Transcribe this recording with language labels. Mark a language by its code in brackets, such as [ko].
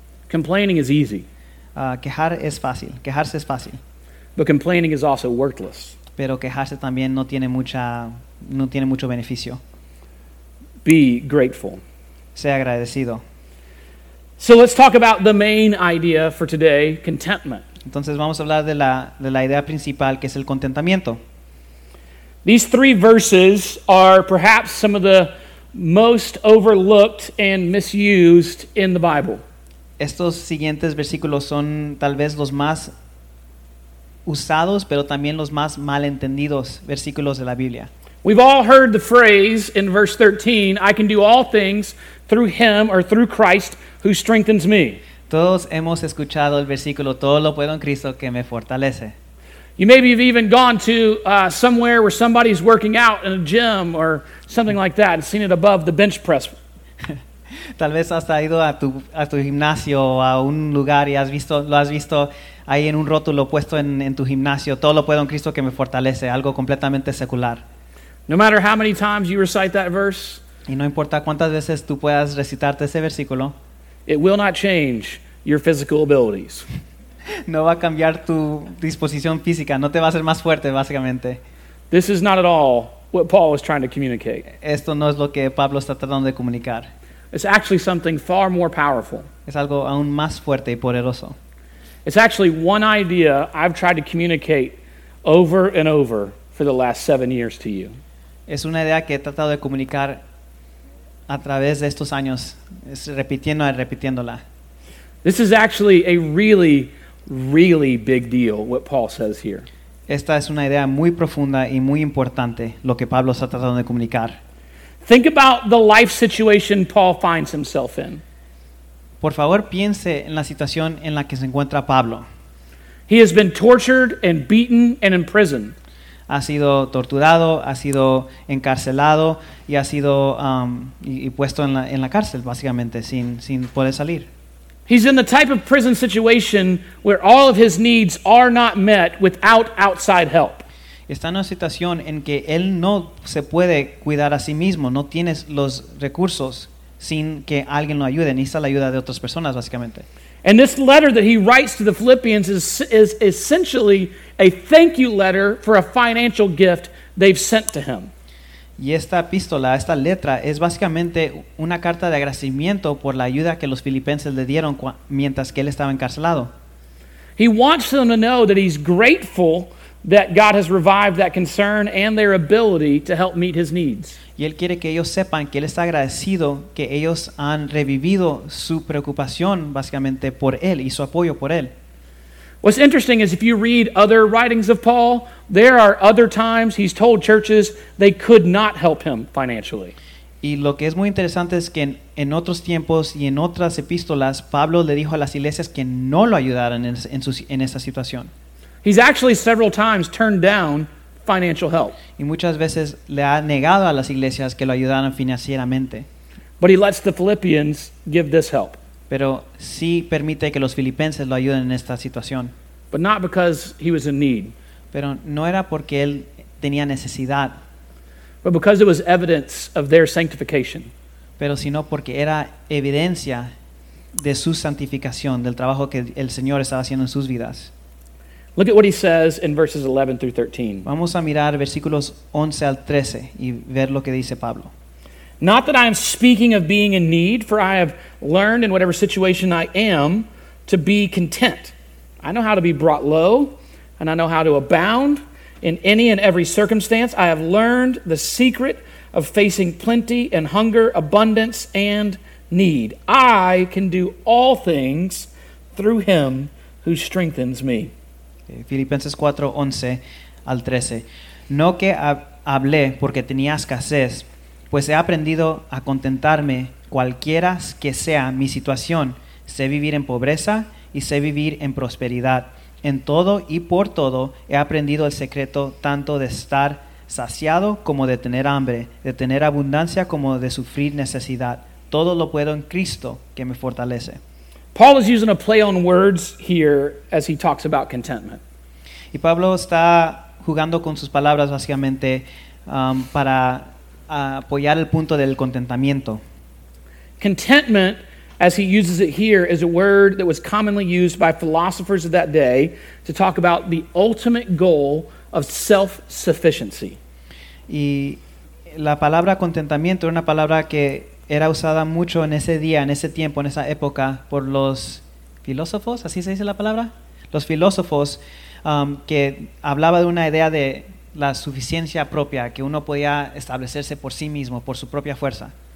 [en] Complaining is easy. [es] Quejar es fácil. Quejarse es fácil. [en] But complaining is also worthless. [es] Pero quejarse también no tiene mucha, no tiene mucho beneficio. [en] Be grateful. [es] Sea agradecido. [en] So let's talk about the main idea for today, contentment. [es] Entonces vamos a hablar de la idea principal, que es el contentamiento. [en] These three verses are perhaps some of the most overlooked and misused in the Bible. [es] Estos siguientes versículos son tal vez los más usados, pero también los más malentendidos versículos de la Biblia. [en] We've all heard the phrase in verse 13, I can do all things through him or through Christ who strengthens me. [es] Todos hemos escuchado el versículo, todo lo puedo en Cristo que me fortalece. [en] You maybe have even gone to somewhere where somebody's working out in a gym or something like that and seen it above the bench press. [es] Tal vez has ido a tu gimnasio o a un lugar y lo has visto ahí en un rótulo puesto en tu gimnasio, todo lo puedo en Cristo que me fortalece, algo completamente secular. [en] No matter how many times you recite that verse, [es] y no importa cuántas veces tú puedas recitarte ese versículo, [en] it will not change your physical abilities. [es] No va a cambiar tu disposición física, no te va a hacer más fuerte, básicamente. [en] This is not at all what Paul was trying to communicate. [es] Esto no es lo que Pablo está tratando de comunicar. [en] It's actually something far more powerful. [es] Es algo aún más fuerte y poderoso. [en] It's actually one idea I've tried to communicate over and over for the last 7 years to you. [es] Es una idea que he tratado de comunicar a través de estos años, repitiéndola. [en] This is actually a really, really big deal, what Paul says here. [es] Esta es una idea muy profunda y muy importante, lo que Pablo está tratando de comunicar. [en] Think about the life situation Paul finds himself in. [es] Por favor, piense en la situación en la que se encuentra Pablo. [en] He has been tortured and beaten and imprisoned. [es] Ha sido torturado, ha sido encarcelado y ha sido puesto en la cárcel, básicamente, sin poder salir. [en] He's in the type of prison situation where all of his needs are not met without outside help. [es] Está en una situación en que él no se puede cuidar a sí mismo, no tiene los recursos sin que alguien lo ayude, necesita la ayuda de otras personas, básicamente. [en] And this letter that he writes to the Philippians is essentially a thank you letter for a financial gift they've sent to him. [es] Y esta epístola, esta letra, es básicamente una carta de agradecimiento por la ayuda que los filipenses le dieron mientras que él estaba encarcelado. [en] He wants them to know that he's grateful that God has revived that concern and their ability to help meet his needs. [es] Y él quiere que ellos sepan que él está agradecido que ellos han revivido su preocupación básicamente por él y su apoyo por él. [en] What's interesting is if you read other writings of Paul, there are other times he's told churches they could not help him financially. [es] Y lo que es muy interesante es que en otros tiempos y en otras epístolas, Pablo le dijo a las iglesias que no lo ayudaran en esa situación. [en] He's actually several times turned down financial help. [es] Y muchas veces le ha negado a las iglesias que lo ayudaran financieramente. [en] But he lets the Philippians give this help. [es] Pero sí permite que los filipenses lo ayuden en esta situación. [en] But not because he was in need. [es] Pero no era porque él tenía necesidad. [en] But because it was evidence of their sanctification. [es] Pero sino porque era evidencia de su santificación, del trabajo que el Señor estaba haciendo en sus vidas. [en] Look at what he says in verses 11 through 13. [es] Vamos a mirar versículos 11 al 13 y ver lo que dice Pablo. [en] Not that I am speaking of being in need, for I have learned in whatever situation I am to be content. I know how to be brought low, and I know how to abound in any and every circumstance. I have learned the secret of facing plenty and hunger, abundance and need. I can do all things through him who strengthens me. [es] Filipenses 4:11 al 13. No que hablé porque tenía escasez, pues he aprendido a contentarme cualquiera que sea mi situación. Sé vivir en pobreza y sé vivir en prosperidad. En todo y por todo he aprendido el secreto tanto de estar saciado como de tener hambre, de tener abundancia como de sufrir necesidad. Todo lo puedo en Cristo que me fortalece. [en] Paul is using a play on words here as he talks about contentment. [es] Y Pablo está jugando con sus palabras básicamente para apoyar el punto del contentamiento. Contentment, as he uses it here, is a word that was commonly used by philosophers of that day to talk about the ultimate goal of self-sufficiency. Y la palabra contentamiento era una palabra que era usada mucho en ese día, en ese tiempo, en esa época, por los filósofos, ¿así se dice la palabra? Los filósofos, que hablaba de una idea de la suficiencia propia, que uno podía establecerse por sí mismo, por su propia fuerza.